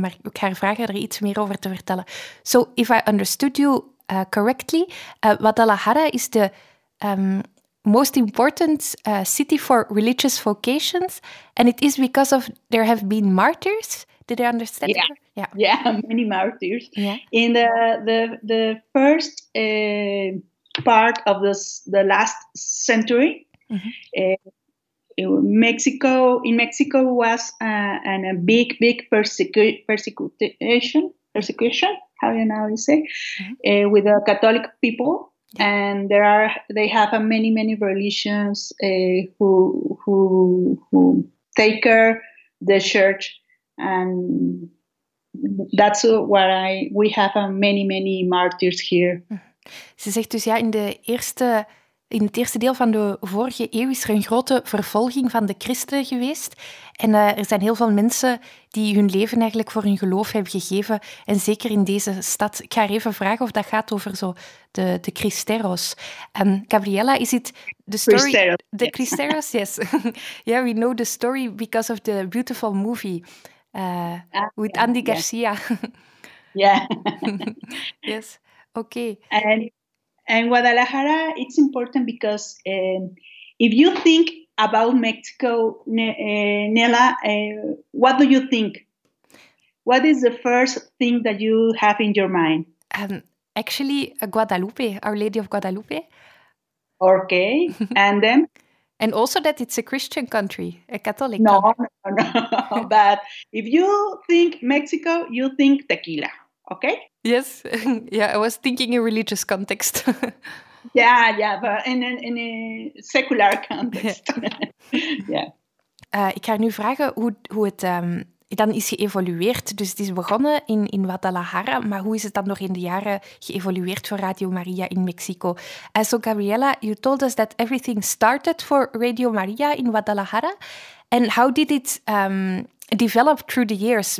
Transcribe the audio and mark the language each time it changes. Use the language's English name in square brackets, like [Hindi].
[Dutch] Maar ik ga haar vragen er iets meer over te vertellen. [English] So, if I understood you correctly, Guadalajara is the most important city for religious vocations. And it is because of there have been martyrs. Did I understand? Yeah. Many martyrs. Yeah. In the first part of the last century, Mexico was a big persecution. How do you know you say? Mm-hmm. With the Catholic people, yeah. And they have many religions who take care the church, and that's what we have many martyrs here. [Dutch] Ze zegt dus ja, in de eerste In het eerste deel van de vorige eeuw is er een grote vervolging van de christenen geweest. En er zijn heel veel mensen die hun leven eigenlijk voor hun geloof hebben gegeven. En zeker in deze stad. Ik ga er even vragen of dat gaat over zo de Cristeros. Gabriella, is het de story... Cristeros. De Cristeros, yes. [English] Ja, yeah, we know the story because of the beautiful movie with Andy Garcia. Yeah. Yes, oké. Okay. And Guadalajara, it's important because if you think about Mexico, Nela, what do you think? What is the first thing that you have in your mind? Actually, Guadalupe, Our Lady of Guadalupe. Okay, and then? And also that it's a Christian country, a Catholic country. No, but if you think Mexico, you think tequila. Okay? Yes. Yeah, I was thinking in religious context. yeah, but in a secular context. Yeah. [Dutch] Ik ga nu vragen hoe het dan is geëvolueerd. Dus het is begonnen in Guadalajara, maar hoe is het dan nog in de jaren geëvolueerd voor Radio Maria in Mexico? [English] So, Gabriella, you told us that everything started for Radio Maria in Guadalajara. And how did it develop through the years?